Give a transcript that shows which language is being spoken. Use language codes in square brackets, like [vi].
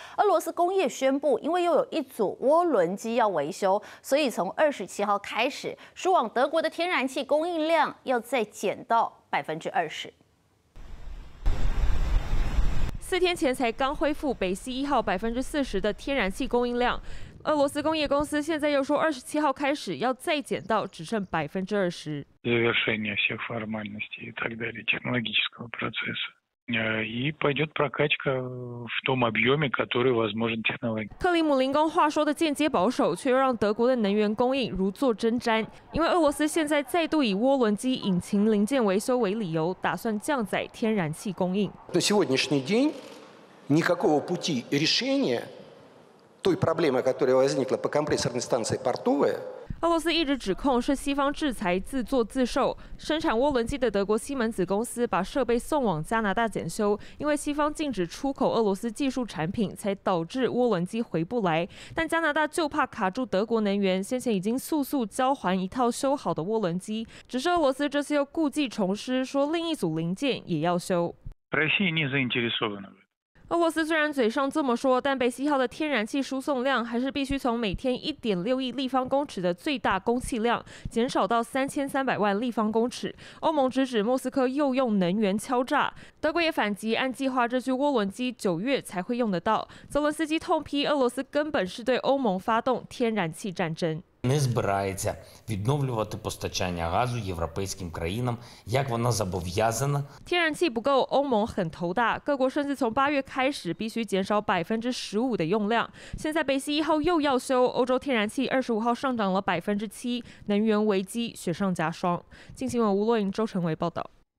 [zh] 俄罗斯工业宣布，因为又有一组涡轮机要维修，所以从27号开始，输往德国的天然气供应量要再减到20%。 4天前才刚恢复北溪一号40%的天然气供应量，俄罗斯工业公司现在又说27号开始要再减到只剩20%。 [ru] завершение всех формальностей и так далее технологического процесса и пойдет прокачка в том объеме, который возможен технологии. [zh] 克里姆林宫话说的间接保守，却又让德国的能源供应如坐针毡，因为俄罗斯现在再度以涡轮机引擎零件维修为理由，打算降载天然气供应。 [ru] На сегодняшний день никакого пути решения той проблемы, которая возникла по компрессорной станции Портовая。 [zh] 俄罗斯一直指控是西方制裁自作自受，生产涡轮机的德国西门子公司把设备送往加拿大检修，因为西方禁止出口俄罗斯技术产品，才导致涡轮机回不来。但加拿大就怕卡住德国能源，先前已经速速交还一套修好的涡轮机，只是俄罗斯这次又故技重施，说另一组零件也要修。俄罗斯虽然嘴上这么说，但北溪号的天然气输送量还是必须从每天1.6亿立方公尺的最大供气量减少到3300万立方公尺。欧盟直指莫斯科又用能源敲诈，德国也反击，按计划这具涡轮机9月才会用得到。泽伦斯基痛批俄罗斯根本是对欧盟发动天然气战争。 [uk] Не збирається відновлювати постачання газу європейським країнам, як вона зобов'язана. [zh] 天然气不够，欧盟很头大，各国甚至从8月开始必须减少15%的用量。现在北溪一号又要修，欧洲天然气25号上涨了7%，能源危机雪上加霜。近新闻吴洛莹、周成伟报道。